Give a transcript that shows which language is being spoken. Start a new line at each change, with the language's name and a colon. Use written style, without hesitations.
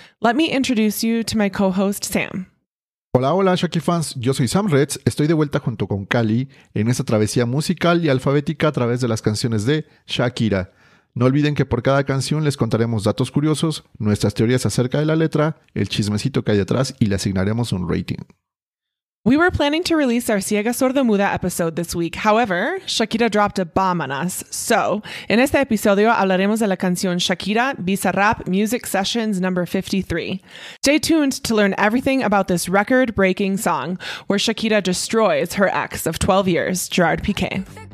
English: Let me introduce you to my co-host Sam.
Spanish: Hola, hola Shacky fans, yo soy Sam Retz, estoy de vuelta junto con Callie en esta travesía musical y alfabética a través de las canciones de Shakira. No olviden que por cada canción les contaremos datos curiosos, nuestras teorías acerca de la letra, el chismecito que hay detrás y le asignaremos un rating.
English: We were planning to release our Ciega Sorda Muda episode this week. However, Shakira dropped a bomb on us.
Spanish: So, en este episodio hablaremos de la canción Shakira, Bizarrap Music Sessions No. 53.
English: Stay tuned to learn everything about this record-breaking song where Shakira destroys her ex of 12 years, Gerard Piqué.